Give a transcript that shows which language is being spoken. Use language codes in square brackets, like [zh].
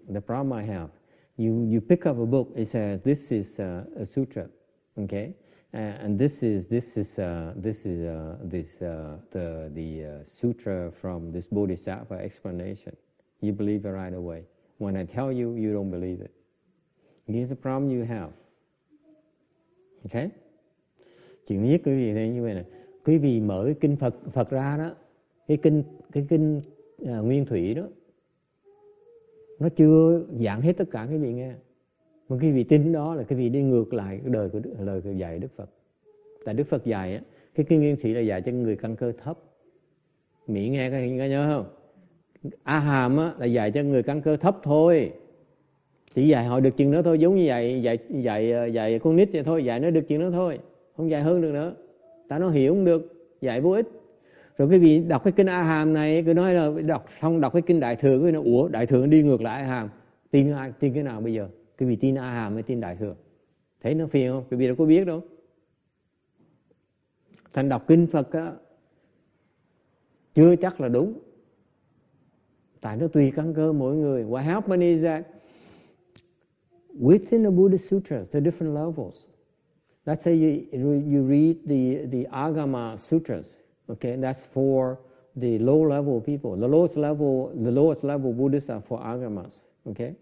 [en] The problem I have, you pick up a book, it says this is a sutra, okay, and this is the sutra from this Bodhisattva explanation. You believe it right away. When I tell you, you don't believe it. Here's the problem you have. Okay? [vi] Chuyện thứ nhất quý vị này như vậy này. Quý vị mở cái kinh Phật ra đó, cái kinh nguyên thủy đó, nó chưa giảng hết tất cả quý vị nghe. Mà quý vị tin đó là quý vị đi ngược lại lời dạy Đức Phật. Tại Đức Phật dạy á, cái kinh nguyên thủy là dạy cho người căn cơ thấp. Mỹ nghe có nhớ không? A Hàm á là dạy cho người căn cơ thấp thôi. Chỉ dạy họ được chừng đó thôi, giống như dạy con nít vậy thôi, dạy nó được chừng đó thôi, không dạy hơn được nữa. Ta nó hiểu không được, dạy vô ích. Rồi quý vị đọc cái kinh A Hàm này, cứ nói là đọc cái kinh Đại Thừa, quý vị nói, ủa, Đại Thừa đi ngược lại A Hàm, tin cái nào bây giờ? Quý vị tin A Hàm hay tin Đại Thừa? Thấy nó phiền không? Quý vị đâu có biết đâu. Thành đọc kinh Phật á, chưa chắc là đúng. Tại nó tùy căn cơ mỗi người. [en] What happened is that within the Buddha Sutras, the different levels. Let's say you read the Agama Sutras, okay? That's for the low level people. The lowest level Buddhists are for Agamas, okay?